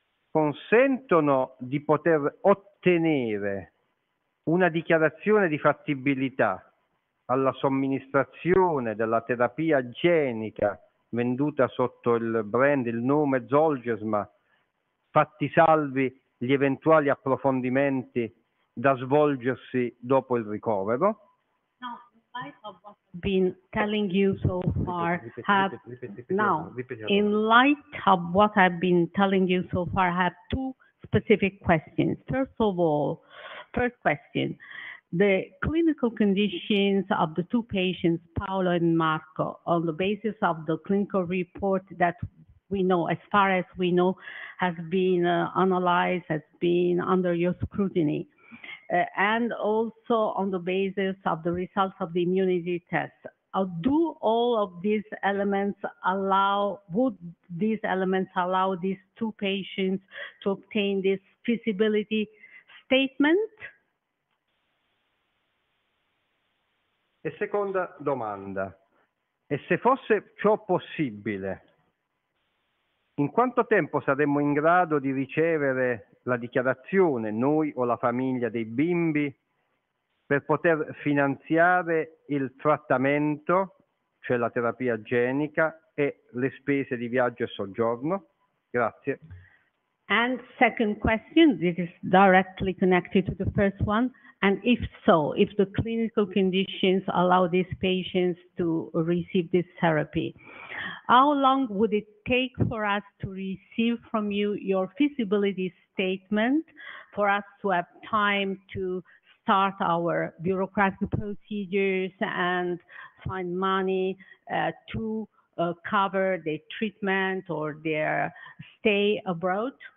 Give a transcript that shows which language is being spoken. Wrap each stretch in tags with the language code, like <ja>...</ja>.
<it>consentono di poter ottenere una dichiarazione di fattibilità alla somministrazione della terapia genica venduta sotto il brand, il nome Zolgensma, fatti salvi gli eventuali approfondimenti da svolgersi dopo il ricovero?</it> <en>No, in light of what I've been telling you so far, have two specific questions. First of all, first question, the clinical conditions of the two patients, Paolo and Marco, on the basis of the clinical report that we know, as far as we know, has been analyzed, has been under your scrutiny, and also on the basis of the results of the immunity test. Do all of these elements allow, would these elements allow these two patients to obtain this feasibility statement?</en> <it>E seconda domanda, e se fosse ciò possibile, in quanto tempo saremmo in grado di ricevere la dichiarazione, noi o la famiglia dei bimbi, per poter finanziare il trattamento, cioè la terapia genica, e le spese di viaggio e soggiorno? Grazie.</it> <en>And second question, this is directly connected to the first one. And if so, if the clinical conditions allow these patients to receive this therapy, how long would it take for us to receive from you your feasibility statement for us to have time to start our bureaucratic procedures and find money to cover the treatment or their stay abroad?</en>